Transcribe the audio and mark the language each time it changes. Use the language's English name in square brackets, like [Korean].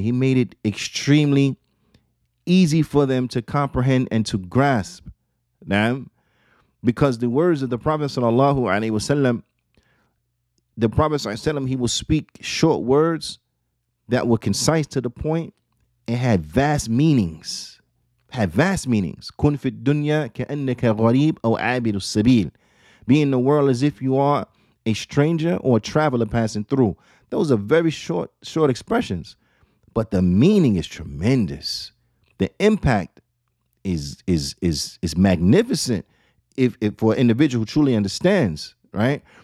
[English] He made it extremely easy for them to comprehend and to grasp. Now, because the words of the Prophet sallallahu alaihi wasallam, the Prophet sallallahu alaihi wasallam, he will speak short words that were concise to the point and had vast meanings. Had vast meanings. [Arabic] كُنْ فِي الدُّنْيَا كَأَنَّكَ غَرِيبٌ أَوْ عَابِرُ السَّبِيلِ. [English] Be in the world as if you are a stranger or a traveler passing through. Those are very short expressions. But the meaning is tremendous. The impact is magnificent if for an individual who truly understands, right?